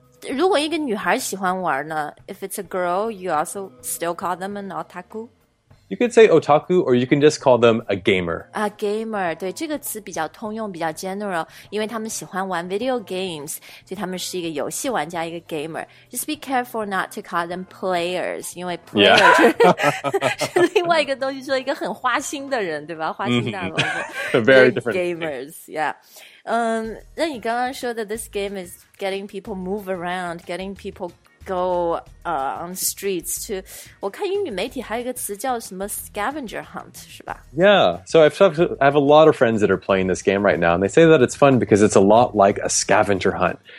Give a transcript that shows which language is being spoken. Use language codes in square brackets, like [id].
[zh] 如果一个女孩喜欢玩呢 [en] ，if it's a girl, you also still call them an otaku? You could say otaku, or you can just call them a gamer. A gamer, 对这个词比较通用，比较 general, 因为他们喜欢玩 video games, 所以他们是一个游戏玩家，一个 gamer. Just be careful not to call them players, [zh] 因为 [en] player、 yeah. [zh] 是另外一个东西，说一个很花心的人，对吧？花心大萝卜、 mm-hmm. [en] Very different. Gamers, yeah. [zh] 那你刚刚说的 [en] this game is getting people move around, getting people. Go on streets to. [zh] 我看英语媒体还有一个词叫什么 scavenger hunt 是吧 [en] Yeah, so I have a lot of friends that are playing this game right now, and they say that it's fun because it's a lot like a scavenger hunt.